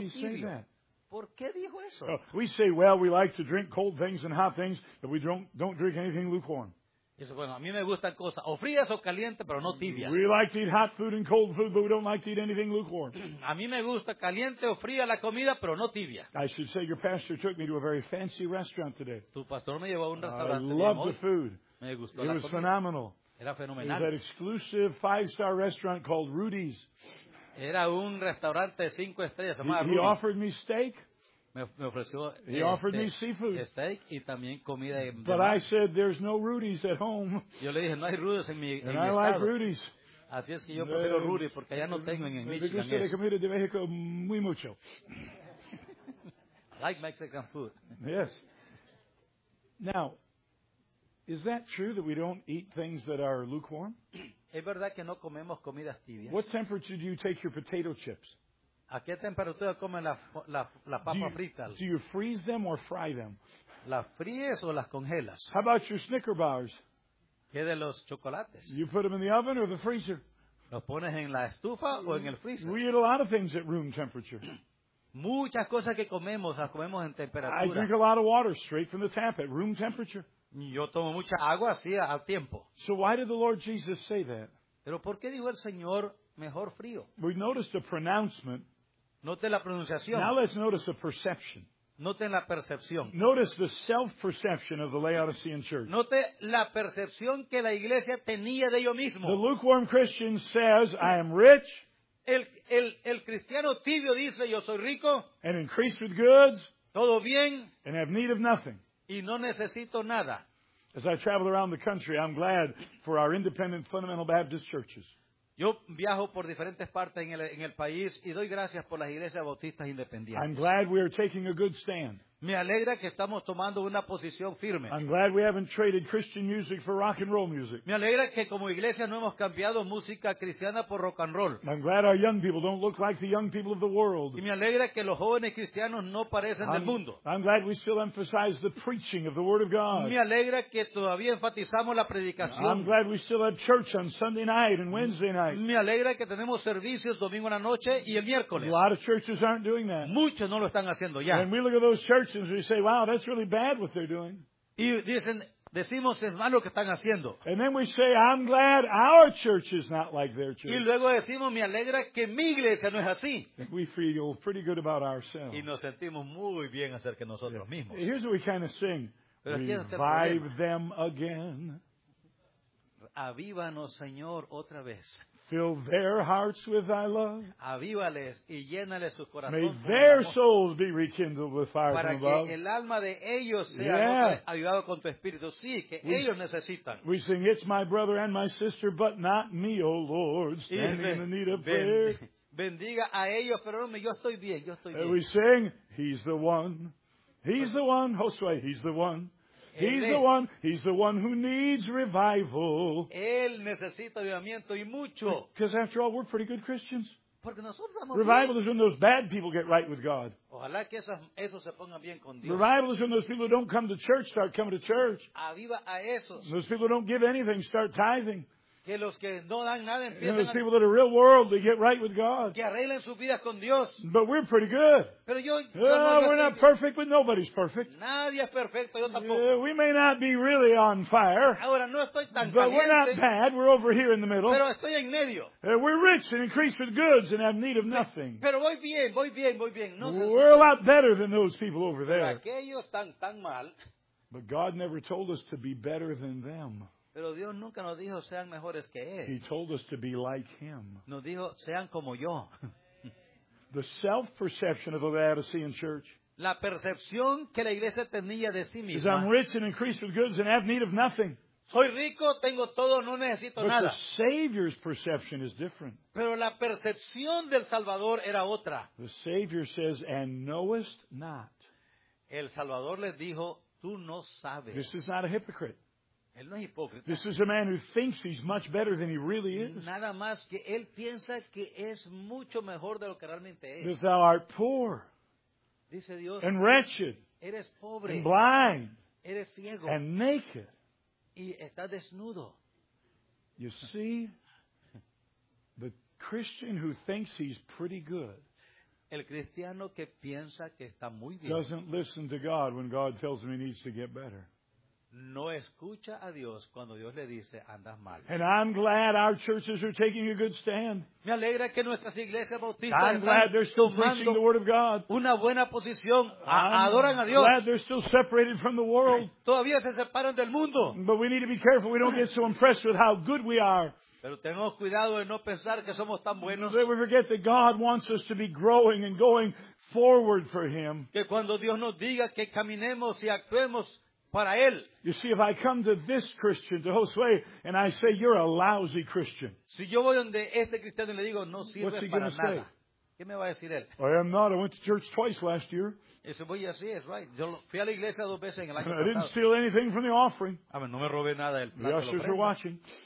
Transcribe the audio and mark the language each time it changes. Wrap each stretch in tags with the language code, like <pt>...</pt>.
<en>Why did he say that?</en> <es>¿Por qué dijo eso?</es> <en>We say, well, we like to drink cold things and hot things, but we don't drink anything lukewarm.</en> <es>Dice, bueno, a mí me gustan cosas, o frías o calientes, pero no tibias.</es> <en>We like to eat hot food and cold food, but we don't like to eat anything lukewarm.</en> <es>A mí me gusta caliente o fría la comida, pero no tibia.</es> <en>I should say your pastor took me to a very fancy restaurant today.</en> <es>Tu pastor me llevó a un restaurante.</es> <en>I loved the food.</en> <es>Me gustó</es> <en>it</en> <es>la comida.</es> <en>It was phenomenal.</en> <es>Era fenomenal.</es> <en>It was an exclusive 5-star restaurant called Rudy's.</en> <es>Era un restaurante de 5 estrellas, se llamaba Rudy's.</es> <en>He offered me steak.</en> <es>Me ofreció,</es> <en>he offered me seafood.</en> <es>Steak y también comida de</es> <en>but I said, there's no Rudy's at home.</en> <es>Yo le dije, no hay Rudy's en mi,</es> <en>and</en> <es>en</es> <en>I</en> <es>mi estado.</es> <en>Like Rudy's.</en> <es>Así es que yo prefiero Rudy's porque allá no tengo en Michigan. Me gusta la comida de México muy mucho.</es> <en>I like Mexican food. Yes. Now, is that true that we don't eat things that are lukewarm?</en> <es>Es verdad que no comemos comidas tibias.</es> <en>What temperature do you take your potato chips?</en> <es>¿A qué temperatura comen la papa frita?</es> <en>Do you freeze them or fry them?</en> <es>¿Las fríes o las congelas?</es> <en>How about your Snicker bars?</en> <es>¿Qué de los chocolates?</es> <en>You put them in the oven or the freezer?</en> <es>¿Los pones en la estufa o en el freezer?</es> <en>We eat a lot of things at room temperature.</en> <es>Muchas cosas que comemos las comemos en temperatura.</es> <en>I drink a lot of water straight from the tap at room temperature.</en> <es>Yo tomo mucha agua así al tiempo.</es> <en>So why did the Lord Jesus say that?</en> <es>¿Pero por qué dijo el Señor mejor frío?</es> <en>We noticed a pronouncement.</en> <es>Note la pronunciación.</es> <en>Now let's notice the perception.</en> <es>Note la percepción.</es> <en>Notice the self-perception of the Laodicean church.</en> <es>Note la percepción que la iglesia tenía de ellos mismos.</es> <en>The lukewarm Christian says, I am rich.</en> <es>El cristiano tibio dice, yo soy rico.</es> <en>And increased with goods.</en> <es>Todo bien.</es> <en>And have need of nothing.</en> <es>Y no necesito nada.</es> <en>As I travel around the country, I'm glad for our independent fundamental Baptist churches.</en> <es>Yo viajo por diferentes partes en el país y doy gracias por las iglesias bautistas independientes.</es> <en>I'm glad we are taking a good stand.</en> <es>Me alegra que estamos tomando una posición firme.</es> <en>I'm glad we haven't traded Christian music for rock and roll music.</en> <es>Me alegra que como iglesia no hemos cambiado música cristiana por rock and roll.</es> <en>I'm glad our young people don't look like the young people of the world.</en> <es>Y me alegra que los jóvenes cristianos no parecen del mundo.</es> <en>I'm glad we still emphasize the preaching of the Word of God.</en> <es>Me alegra que todavía enfatizamos la predicación.</es> <en>I'm glad we still have church on Sunday night and Wednesday night.</en> <es>Me alegra que tenemos servicios domingo en la noche y el miércoles.</es> <en>A lot of churches aren't doing that.</en> <es>Muchos no lo están haciendo ya.</es> <en>When we look at those churches, and we say, wow, that's really bad what they're doing.</en> <es>Y dicen, decimos, hermano, ¿qué están haciendo?</es> <en>And then we say, I'm glad our church is not like their church.</en> <es>Y luego decimos, me alegra que mi iglesia no es así.</es> <en>And we feel pretty good about ourselves.</en> <es>Y nos sentimos muy bien acerca de nosotros mismos.</es> <en>Yeah. Here's what we kind of sing. Revive them again.</en> <es>Avívanos, Señor, otra vez.</es> <en>Fill their hearts with thy love.</en> <es>Avívales y llénales sus corazones.</es> <en>May their souls be rekindled with fire from above.</en> <es>Para que el alma de ellos sea avivado con tu espíritu. Sí, que ellos necesitan.</es> <en>We sing, it's my brother and my sister, but not me, O Lord, standing in the need of prayer.</en> <es>Bendiga a ellos, pero no, yo estoy bien, yo estoy bien.</es> <en>And we sing, he's the one. He's the one, Josué, he's the one. He's the one who needs revival.</en> <es>Él necesita avivamiento y mucho.</es> <en>Because after all, we're pretty good Christians.</en> <es>Porque nosotros estamos</es> <en>revival</en> <es>bien.</es> <en>Is when those bad people get right with God.</en> <es>Ojalá que esos se pongan bien con Dios.</es> <en>Revival is when those people who don't come to church start coming to church.</en> <es>Aviva a esos.</es> <en>And those people who don't give anything start tithing.</en> <es>Que los que no dan nada empiezan.</es> <en>And those people that are real worldly get right with God.</en> <es>Que arreglen sus vidas con Dios.</es> <en>But we're pretty good.</en> <es>Pero yo,</es> <en>we're not perfect, but nobody's perfect.</en> <es>Nadie es perfecto, yo tampoco.</es> <en>We may not be really on fire.</en> <es>Ahora, no estoy tan</es> <en>but</en> <es>caliente.</es> <en>We're not bad. We're over here in the middle.</en> <es>Pero estoy en medio.</es> <en>We're rich and increased with goods and have need of nothing.</en> <es>Pero voy bien, voy bien, voy bien. No,</es> <en>we're a lot better than those people over there.</en> <es>Pero aquellos están tan mal.</es> <en>But God never told us to be better than them.</en> <es>Pero Dios nunca nos dijo sean mejores que él.</es> <en>He told us to be like him.</en> <es>Nos dijo sean como yo.</es> <en>The self-perception of the Laodicean church.</en> <es>La percepción que la iglesia tenía de sí misma.</es> <en>Is I'm rich and increased with goods and have need of nothing.</en> <es>Soy rico, tengo todo, no necesito</es> <en>but</en> <es>nada.</es> <en>But the Savior's perception is different.</en> <es>Pero la percepción del Salvador era otra.</es> <en>The Savior says, and knowest not.</en> <es>El Salvador les dijo, tú no sabes.</es> <en>This is not a hypocrite.</en> <es>Él no es hipócrita.</es> <en>This is a man who thinks he's much better than he really is.</en> <es>Nada más que él piensa que es mucho mejor de lo que realmente es.</es> <en>Because thou art poor.</en> <es>Dice Dios.</es> <en>And wretched.</en> <es>Eres pobre.</es> <en>And blind.</en> <es>Eres ciego.</es> <en>And naked.</en> <es>Y estás desnudo.</es> <en>You see, the Christian who thinks he's pretty good.</en> <es>El cristiano que piensa que está muy bien.</es> <en>Doesn't listen to God when God tells him he needs to get better.</en> <es>No escucha a Dios cuando Dios le dice andas mal.</es> <en>And I'm glad our churches are taking a good stand.</en> <es>Me alegra que nuestras iglesias bautistas</es> <en>I'm glad they're still preaching the word of God.</en> <es>Una buena posición. Adoran a Dios.</es> <en>I'm glad they're still separated from the world.</en> <es>Todavía se separan del mundo.</es> <en>But we need to be careful we don't get so impressed with how good we are.</en> <es>Pero tenemos cuidado de no pensar que somos tan buenos.</es> <en>That we forget that God wants us to be growing and going forward for Him.</en> <es>Que cuando Dios nos diga que caminemos y actuemos para él.</es> <en>You see, if I come to this Christian, to Josué, and I say, you're a lousy Christian,</en> <es>si yo voy donde este cristiano y le digo, no sirve</es> <en>what's he going to say?</en> <es>¿Qué me va a decir él?</es> <en>I am not. I went to church twice last year. I didn't steal anything from the offering.</en> <es>A ver, no me robé nada del plato.</es> <en>The ushers are watching.</en>